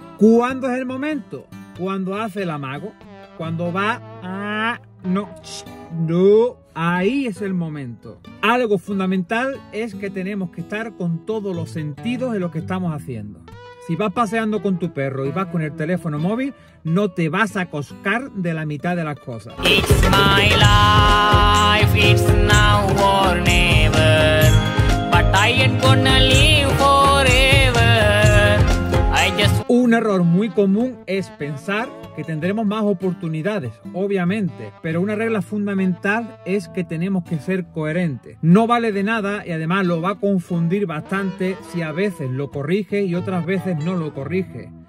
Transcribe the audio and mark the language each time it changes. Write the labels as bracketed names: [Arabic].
[Spanish] ¿Cuándo es el momento? Cuando hace el amago. Cuando va a... No, no, ahí es el momento. Algo fundamental es que tenemos que estar con todos los sentidos en lo que estamos haciendo. Si vas paseando con tu perro y vas con el teléfono móvil, no te vas a coscar de la mitad de las cosas. [English] It's my life, it's now or never, but I ain't gonna live forever. I just... [Spanish] Un error muy común es pensar que tendremos más oportunidades, obviamente, pero una regla fundamental es que tenemos que ser coherentes. No vale de nada, y además lo va a confundir bastante si a veces lo corrige y otras veces no lo corrige.